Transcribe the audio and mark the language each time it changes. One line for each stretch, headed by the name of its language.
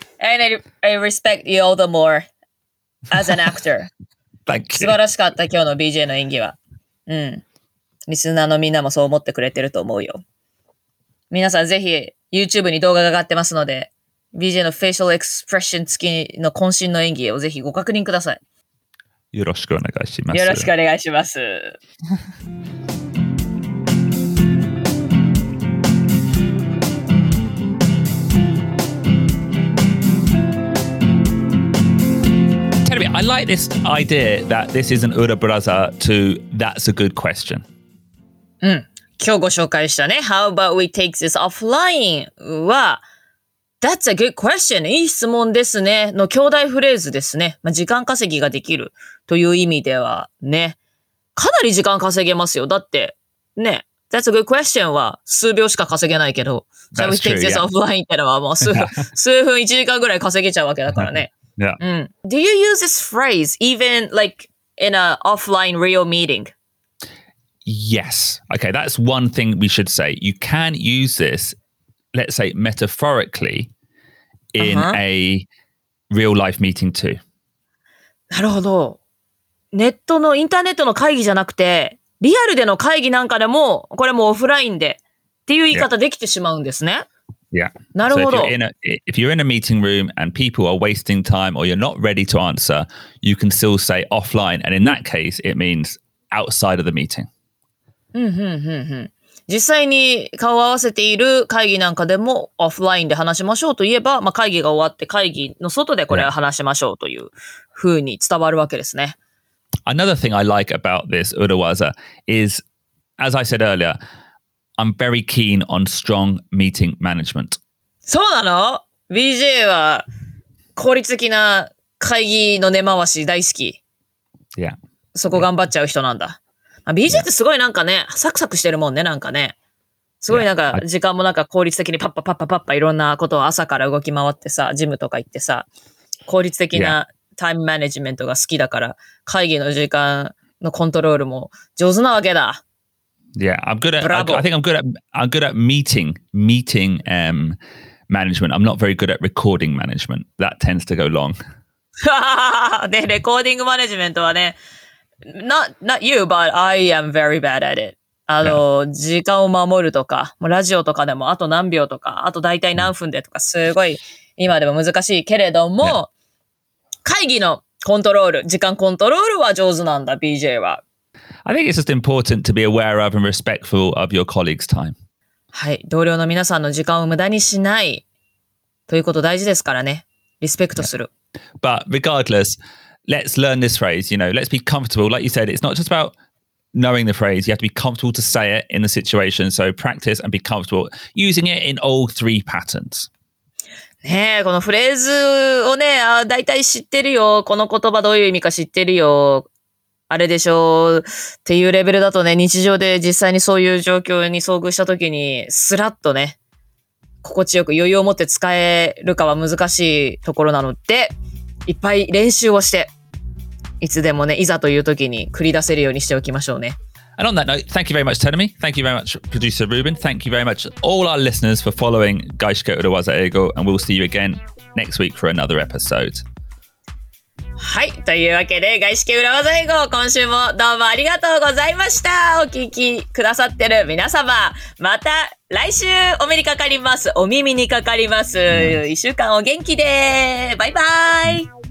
English: And I respect you all the more as an actor. Thank you.
Japanese: 素晴らしかった今日の BJ の演技は。うん。リスナーのみんなもそう思ってくれてると思うよ。皆さんぜひ YouTube に動画が上がってますので、BJ の facial expression 付きの渾身の演技をぜひご確認ください。よろしくお願いします。よろしくお願いします。
English: I like this idea that this is an Ura Brother to That's a Good Question.
Japanese: うん。今日ご紹介したね。
English: How about we take this offline?
Japanese: は、
English: That's a good question.
Japanese: いい質問ですね。の兄弟フレーズですね。まあ、時間稼ぎができるという意味ではね。かなり時間稼げますよ。だって、ね。
English: That's a good question
Japanese: は数秒しか稼げないけど、
English: That's true, we take this offline?
Japanese: ってのはもう数分、1時間ぐらい稼げちゃうわけだからね。
English: Yeah. Mm. Do you use this phrase even like in an offline real meeting? Yes. Okay, that's one thing we should say. You can use this, let's say metaphorically, in a real life meeting too.
Japanese: なるほど。ネットのインターネットの会議じゃなくて、リアルでの会議なんかでも、これもオフラインでっていう言い方できてしまうんですね。
English: Yeah. Yeah. So if you're in a meeting room and people are wasting time or you're not ready to answer, you can still say offline. And in that case, it means outside of the meeting. Hmm.
Japanese: 実際に顔を合わせている会議なんかでも offline で話しましょうといえば、まあ、会議が終わって会議の外でこれを話しましょうというふうに伝わるわけですね。
English: Another thing I like about this Urawaza is, as I said earlier,I'm very keen on strong meeting management.
Japanese: そうなの? BJ は効率的な会議の根回し大好き。
English: Yeah.
Japanese: そこ頑張っちゃう人なんだ。まあ、BJ ってすごいなんかね、サクサクしてるもんね、なんかね。すごいなんか時間もなんか効率的にパッパパッパパッパいろんなことを朝から動き回ってさ、ジムとか行ってさ、効率的なタイムマネジメントが好きだから、会議の時間のコントロールも上手なわけだ。
English: Yeah, I'm good at. I think I'm good at meeting management. I'm not very good at recording management. That tends to go long. The recording management
Japanese: はね、
English: not you, but I am very bad at it.
Japanese: 時間を守るとか、もうラジオとかでもあと何秒とか、あと大体何分でとか、すごい今でも難しいけれども、会議のコントロール、時間コントロールは上手なんだ、BJ は。
English: I think it's just important to be aware of and respectful of your colleagues' time.
Japanese: はい、同僚の皆さんの時間を無駄にしないということ大事ですからね。リスペクトする。Yeah.
English: But regardless, let's learn this phrase. You know, let's be comfortable. Like you said, it's not just about knowing the phrase. You have to be comfortable to say it in the situation. So practice and be comfortable using it in all three patterns.
Japanese: ねえ、このフレーズをね、あ、だいたい知ってるよ。この言葉どういう意味か知ってるよ。あれでしょうっていうレベルだとね、日常で実際にそういう状況に遭遇したときに、スラッとね、心地よく余裕を持って使えるかは難しいところなので、いっぱい練習をして、いつでもね、いざというときに繰り出せるようにしておきましょうね。
English: And on that note, thank you very much, Tenami. Thank you very much, producer Ruben. Thank you very much, all our listeners, for following Gaishika Urawaza Eigo. And we'll see you again next week for another episode.
Japanese: はい、というわけで外資系裏技英語今週もどうもありがとうございました。お聞きくださってる皆様、また来週お目にかかります。お耳にかかります。1週間お元気で、バイバイ。